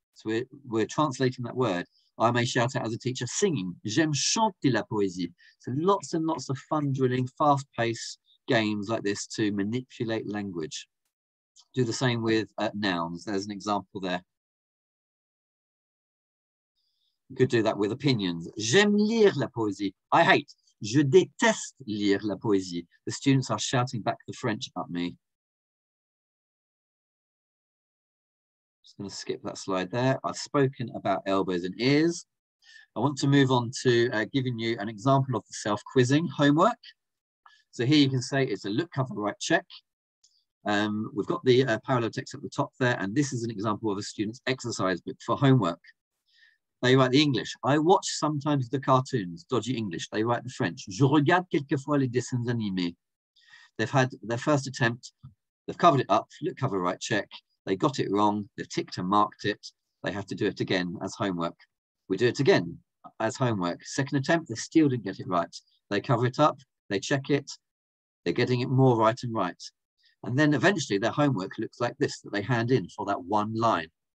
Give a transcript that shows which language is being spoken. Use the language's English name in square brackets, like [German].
[English] So we're translating that word. I may shout out as a teacher, singing, [French] j'aime chanter la poésie. [English] So lots and lots of fun drilling, fast-paced games like this to manipulate language. Do the same with nouns. There's an example there. You could do that with opinions. [French] J'aime lire la poésie. [English] I hate. [French] Je déteste lire la poésie. [English] The students are shouting back the French at me. Just going to skip that slide there. I've spoken about elbows and ears. I want to move on to giving you an example of the self-quizzing homework. So here you can say it's a look, cover, write, check. We've got the parallel text at the top there, and this is an example of a student's exercise book for homework. They write the English. I watch sometimes the cartoons, dodgy English. They write the French. [French] Je regarde quelquefois les dessins animés. [English] They've had their first attempt. They've covered it up, look, cover, write, check. They got it wrong. They've ticked and marked it. They have to do it again as homework. We do it again as homework. Second attempt, they still didn't get it right. They cover it up. They check it. They're getting it more right and right. And then eventually their homework looks like this, that they hand in for that one line.